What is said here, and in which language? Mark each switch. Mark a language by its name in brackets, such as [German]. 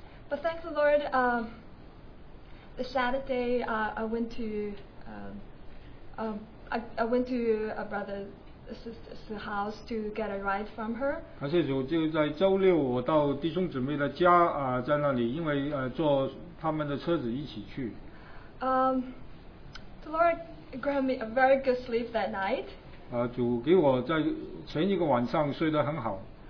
[English] But thank the Lord, the Saturday I went to a brother sister's house to get a ride from her. [Chinese] 感谢主就在周六我到弟兄姊妹的家, 在那里因为, 坐他们的车子一起去。 [English] The Lord grant me a very good sleep that night. [Chinese] 主给我在前一个晚上睡得很好。